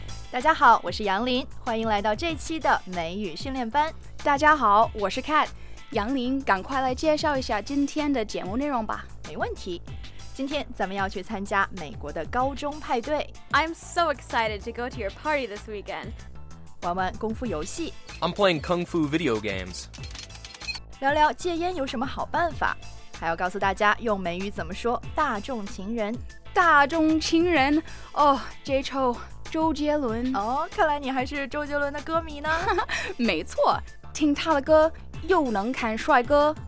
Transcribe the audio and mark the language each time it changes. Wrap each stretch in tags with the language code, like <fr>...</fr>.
<zh>大大家好，我是杨林，欢迎来到这期的美语训练班。大家好，我是 Cat。杨林，赶快来介绍一下今天的节目内容吧。没问题。今天咱们要去参加美国的高中派对。</zh> <en>I'm so excited to go to your party this weekend.</en> <zh>玩玩功夫游戏。</zh> <en>I'm playing kung fu video games.</en> <zh>聊聊戒烟有什么好办法，还要告诉大家用美语怎么说大众情人。大众情人，哦、oh, ，J-Cho， 周杰伦。哦、oh, ，看来你还是周杰伦的歌迷呢。没错，听他的歌又能看帅哥。</zh>